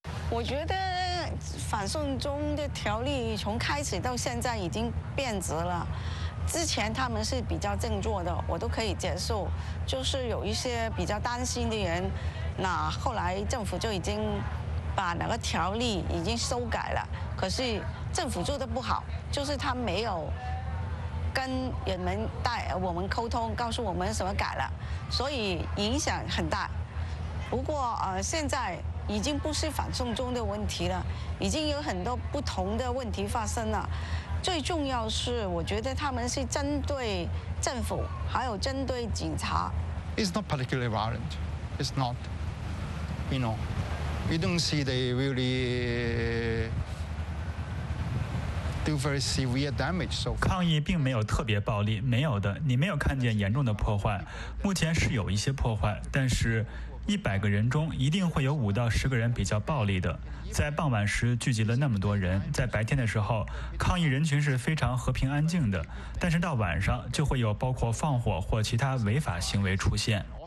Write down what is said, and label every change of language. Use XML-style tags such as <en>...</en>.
<zh>我觉得反送中的条例从开始到现在已经变质了，之前他们是比较振作的，我都可以接受，就是有一些比较担心的人，那后来政府就已经把那个条例已经修改了，可是政府做得不好，就是他没有跟人们带我们沟通，告诉我们什么改了，所以影响很大。不过现在已经不是反送中的问题了，已经有很多不同的问题发生了。最重要是，我觉得他们是针对政府，还有针对警察。</zh> <en>It's not particularly violent. It's not. You know, we don't see they really do very severe damage. So</en> <zh>抗议并没有特别暴力，没有的，你没有看见严重的破坏。目前是有一些破坏，但是100个人中一定会有5到10个人比较暴力的。在傍晚时聚集了那么多人，在白天的时候抗议人群是非常和平安静的，但是到晚上就会有包括放火或其他违法行为出现。</zh>